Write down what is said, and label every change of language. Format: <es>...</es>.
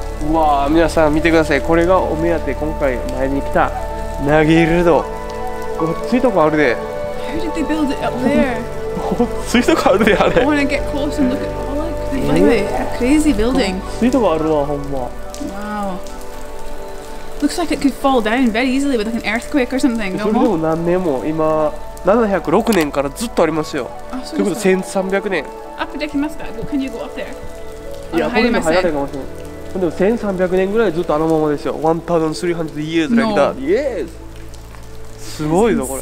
<ja>うわー、皆さん見てください。これがお目当て、今回前に来た。投げれど。ごっついとこあるで。</ja> <en>How did they build it up there?</en> <ja>ごっついとこあるで、あれ。</ja> <en>I wanna get close and look at all like a crazy building.</en> <ja>ごっついとこあるわ、ほんま。</ja> <en>Looks like it could fall down very easily with like an earthquake or something.</en> <ja>それでも何年も、今706年からずっとありますよ。あ、そうですか。ということは1300年。アップできますか？</ja> <en>Can you go up there?</en> <ja>いや、これでも入られるかもしれない。でも1300年ぐらいずっとあのままですよ。</ja> <en>1300 years like that. Yes!</en> <ja>すごいぞ、これ。</ja>